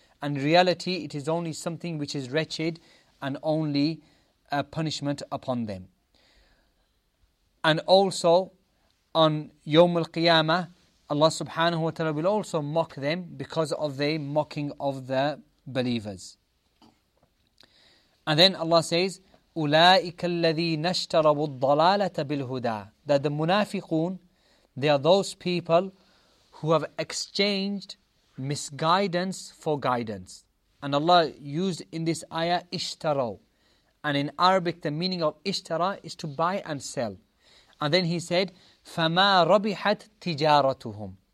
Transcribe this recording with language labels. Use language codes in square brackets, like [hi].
[en] And in reality, it is only something which is wretched and only a punishment upon them. And also, on Yawm al-Qiyamah, Allah subhanahu wa ta'ala will also mock them because of the mocking of the believers. [ar] And then Allah says, أُولَٰئِكَ الَّذِينَ اشْتَرَبُوا الضَّلَالَةَ بِالْهُدَىٰ. [en] That the munafiqun, they are those people who have exchanged misguidance for guidance. And Allah used in this ayah, اشْتَرَوا. And in Arabic, the meaning of اشْتَرَى is to buy and sell. [ar] And then He said, فَمَا رَبِحَتْ تِجَارَتُهُمْ.